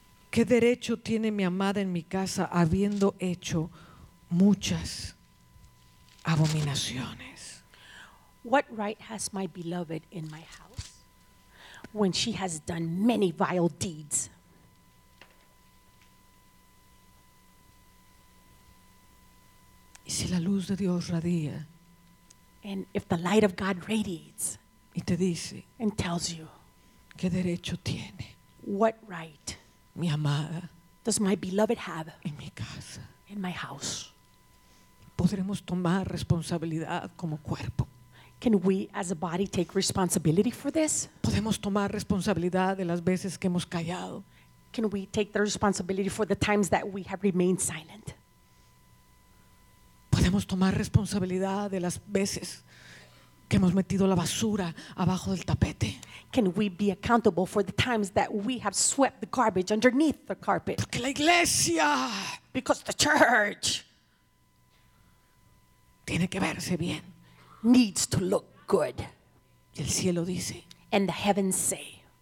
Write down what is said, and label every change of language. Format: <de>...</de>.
<es>¿Qué derecho tiene mi amada en mi casa habiendo hecho muchas abominaciones?</es> <en>What right has my beloved in my house when she has done many vile deeds?</en> <es>¿Y si la luz de Dios radia?</es> <en>And if the light of God radiates,</en> <es>y te dice,</es> <en>and tells you,</en> <es>¿qué derecho tiene?</es> <en>What right,</en> <es>mi amada,</es> <en>does my beloved have</en> <es>en mi casa,</es> <en>in my house?</en> <es>¿Podremos tomar responsabilidad como cuerpo?</es> <en>Can we as a body take responsibility for this?</en> <es>¿Podemos tomar responsabilidad de las veces que hemos callado?</es> <en>Can we take the responsibility for the times that we have remained silent?</en> <es>¿Podemos tomar responsabilidad de las veces que hemos metido la basura abajo del tapete?</es> <en>Can we be accountable for the times that we have swept the garbage underneath the carpet?</en> <es>Porque la iglesia,</es> <en>because the church,</en> <es>tiene que verse bien,</es> <en>needs to look good.</en> <es>Y el cielo dice,</es> <en>and the heavens say,</en>